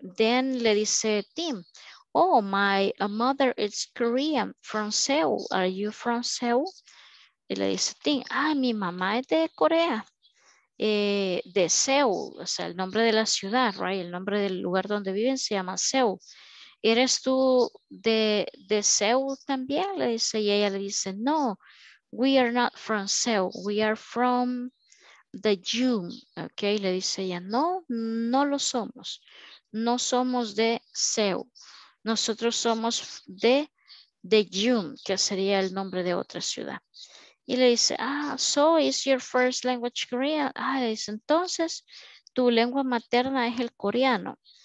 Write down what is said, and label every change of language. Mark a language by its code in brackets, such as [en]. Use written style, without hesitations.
[en] Then [es] le dice [en] Tim, oh, my mother is Korean from Seoul. Are you from Seoul? [es] Y le dice Tim, ah, mi mamá es de Corea, de Seoul, o sea, el nombre de la ciudad, right? El nombre del lugar donde viven se llama Seoul. ¿Eres tú de Seoul también? Le dice, y ella le dice, [en] no, we are not from Seoul, we are from the June, ok. [es] Le dice ella, no lo somos, no somos de Seoul, nosotros somos de June, que sería el nombre de otra ciudad. Y le dice, [en] ah, so is your first language Korean? [es] Ah, le dice, entonces, ¿tu lengua materna es el coreano?